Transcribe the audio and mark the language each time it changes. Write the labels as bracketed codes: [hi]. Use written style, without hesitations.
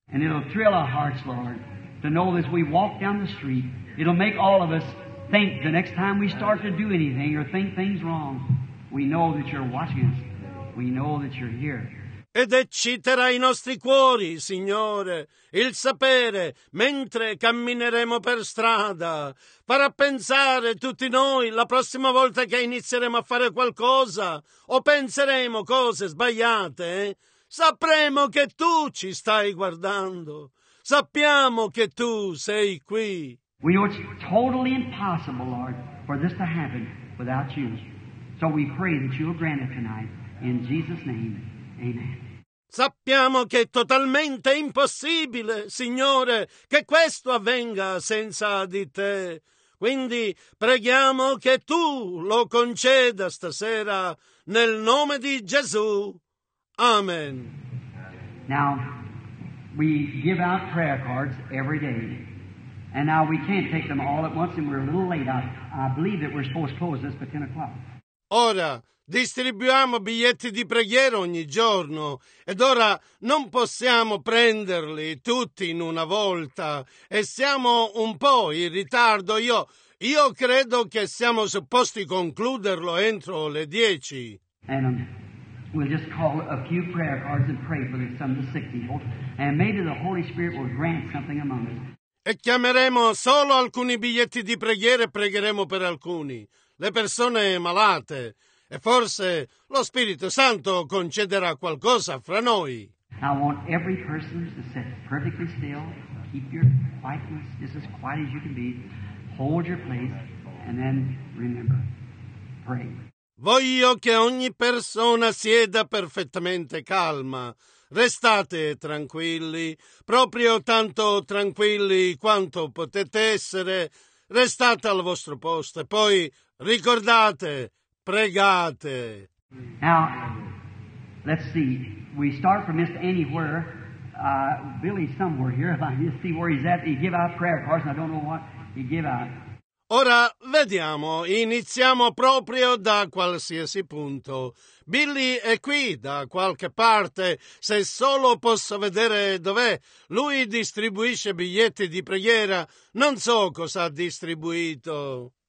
[en] And it'll thrill our hearts, Lord, to know that as we walk down the street, it'll make all of us think the next time we start to do anything or think things wrong, we know that you're watching us. We know that you're here. [it] Ed ecciterà i nostri cuori, Signore, il sapere, mentre cammineremo per strada, farà pensare tutti noi la prossima volta che inizieremo a fare qualcosa o penseremo cose sbagliate, sapremo che tu ci stai guardando, sappiamo che tu sei qui. [en] We know it's totally impossible, Lord, for this to happen without you. So we pray that you will grant it tonight, in Jesus' name. [it] Sappiamo che è totalmente impossibile, Signore, che questo avvenga senza di te. Quindi preghiamo che tu lo conceda stasera nel nome di Gesù. Amen. [en] Now we give out prayer cards every day. And now we can't take them all at once and we're a little late. I believe that we're supposed to close this by 10 o'clock. [it] Ora distribuiamo biglietti di preghiera ogni giorno ed ora non possiamo prenderli tutti in una volta e siamo un po' in ritardo. Io credo che siamo supposti concluderlo entro le 10. [en] And we'll just call a few prayer cards and pray for some of the sick people and maybe the Holy Spirit will grant something among us. [it] E chiameremo solo alcuni biglietti di preghiera e pregheremo per alcuni. Le persone malate. E forse lo Spirito Santo concederà qualcosa fra noi. [en] I want every person to sit perfectly still, keep your quietness, just as quiet as you can be, hold your place, and then remember, pray. [it] Voglio che ogni persona sieda perfettamente calma. Restate tranquilli, proprio tanto tranquilli quanto potete essere. Restate al vostro posto e poi ricordate, pregate. [en] Now, let's see. We start from Mr. Anywhere. Billy somewhere here. Let's see where he's at. He give out prayer cards. I don't know what he give out. [it] Ora vediamo. Iniziamo proprio da qualsiasi punto. Billy è qui da qualche parte. Se solo posso vedere dov'è. Lui distribuisce biglietti di preghiera. Non so cosa ha distribuito.